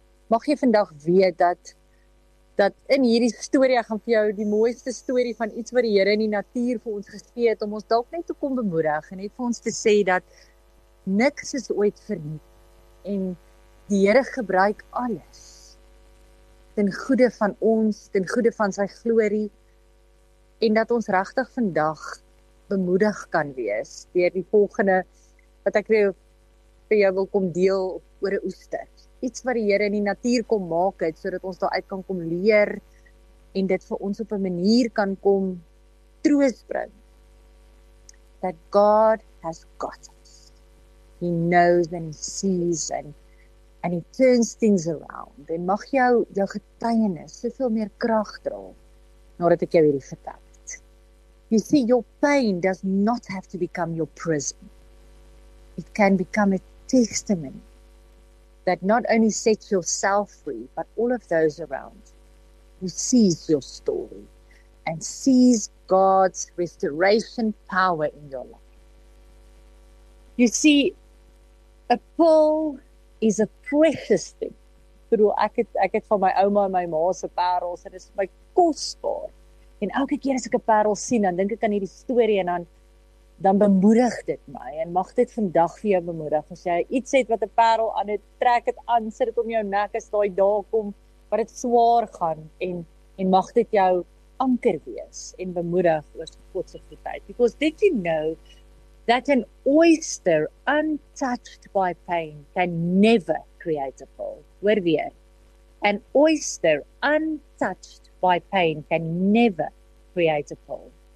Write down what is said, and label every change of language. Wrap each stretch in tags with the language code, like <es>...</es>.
<af>Mag jy vandag weet dat in hierdie storie, gaan vir jou die mooiste storie van iets wat die Here in die natuur vir ons gegee het, om ons dalk net te kom bemoedig en net vir ons te sê dat niks is ooit verniet en die Here gebruik alles ten goede van ons, ten goede van sy glorie en dat ons regtig vandag bemoedig kan wees deur die volgende wat ek vir jou wil kom deel oor 'n oester. Iets wat die Here in die natuur kom maak het, so dat ons daar uit kan kom leer en dit vir ons op 'n manier kan kom troos bring.</af> <en>That God has got us. He knows and he sees and he turns things around.</en> <af>En mag jou getuienis soveel meer krag dra, nadat ek jou hierdie vertel.</af> <en>You see, your pain does not have to become your prison. It can become a testimony that not only sets yourself free, but all of those around who sees your story and sees God's restoration power in your life. You see, a pearl is a precious thing.</en> <af>Ek het van my ouma en my ma se parels, en is my kosbaar. En elke keer as ek 'n parel sien, dan dink ek aan hierdie storie en dan bemoedig dit my. En mag dit vandag vir jou bemoedig. As jy iets het wat 'n parel aan het, trek dit aan, sit dit om jou nek as daai dag kom, wat dit swaar gaan. En mag dit jou anker wees en bemoedig oor God se goedheid.</af> <en>Because did you know that an oyster untouched by pain can never create a pearl?</en> <af>Hoor weer.</af> <en>An oyster untouched by pain can never create a pearl.</en>